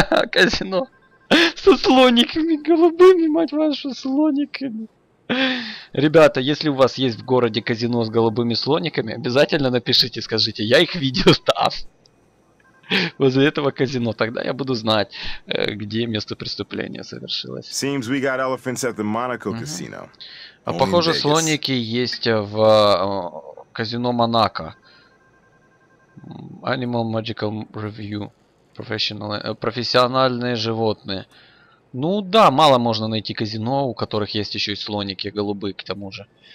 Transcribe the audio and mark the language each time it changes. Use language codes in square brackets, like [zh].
[ru] Казино со слониками голубыми, мать вашу, слониками. Ребята, если у вас есть в городе казино с голубыми слониками, обязательно напишите, скажите, я их видел там. Возле этого казино, тогда я буду знать, где место преступления совершилось. [en] Seems we got elephants at the Monaco casino. [ru] А похоже, слоники есть в казино Монако. [en] Animal Magical Review. [ru] Профессиональные животные. Ну да, мало можно найти казино, у которых есть еще и слоники голубые к тому же.